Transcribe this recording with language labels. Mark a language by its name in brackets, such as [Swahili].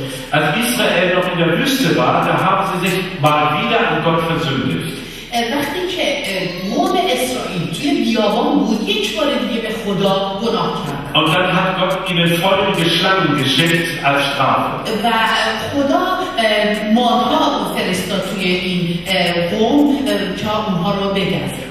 [German] Als Israel noch in der Wüste war, da haben sie sich mal wieder an Gott versündigt. [Persian] وقتی که قوم اسرائیل توی بیابان بود یک بار دیگه به خدا گناه کرد. [German] Und dann hat Gott ihnen feurige Schlangen geschickt als Strafe. [Persian] و خدا مارها فرستاد توی این قوم که اونها رو بگزه.